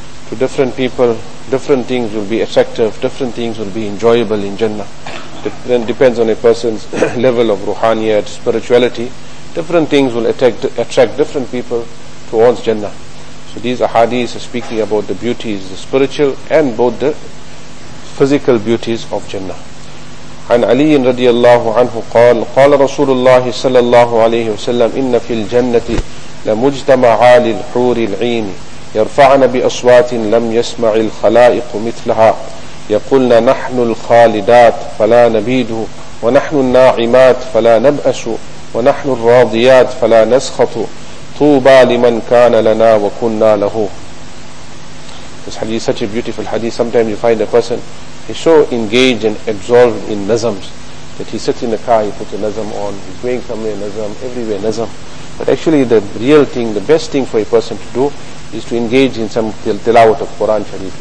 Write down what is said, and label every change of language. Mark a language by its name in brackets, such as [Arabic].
[English] To different people, different things will be attractive, different things will be enjoyable in Jannah. Then depends on a person's level of ruhaniyat, spirituality. Different things will attract different people towards Jannah. So these ahadiths are speaking about the beauties, the spiritual and both the physical beauties of Jannah. [Arabic] عن علي رضي الله عنه قال قال رسول الله صلى الله عليه وسلم إن في الجنة لمجتمع عال الحور العين يرفعن بأصوات لم يسمع الخلائق مثلها يقولن نحن الخالدات فلا نبيد ونحن الناعمات فلا نبأس ونحن الراضيات فلا نسخط طوبى لمن كان لنا وكنا له. [English] This hadith is such a beautiful hadith. Sometimes you find a person, he's so engaged and absorbed in nazams that he sits in the car, he puts a nazam on, he's going somewhere, nazam, everywhere nazam. But actually the real thing, the best thing for a person to do is to engage in some tilawat of Quran Sharif.